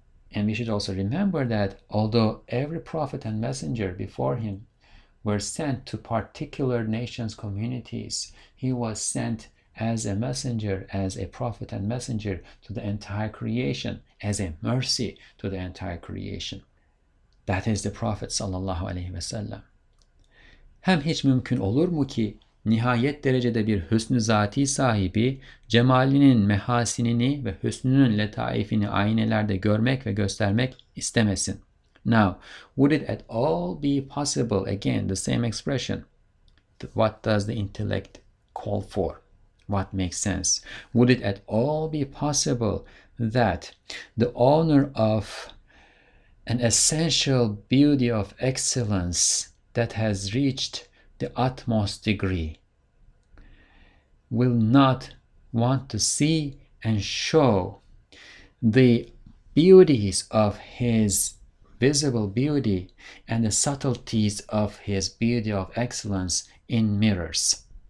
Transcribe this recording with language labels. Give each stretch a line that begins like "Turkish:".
English: And we should also remember that although every prophet and messenger before him were sent to particular nations, communities, he was sent as a messenger, as a prophet and messenger to the entire creation, as a mercy to the entire creation. That is the Prophet sallallahu aleyhi ve sellem.
Turkish: Hem hiç mümkün olur mu ki nihayet derecede bir hüsnü zati sahibi, cemalinin mehasinini ve hüsnünün letaifini aynelerde görmek ve göstermek istemesin.
English: Now, would it at all be possible, again, the same expression, what does the intellect call for? What makes sense? Would it at all be possible that the owner of an essential beauty of excellence that has reached the utmost degree will not want to see and show the beauties of his visible beauty and the subtleties of his beauty of excellence in mirrors?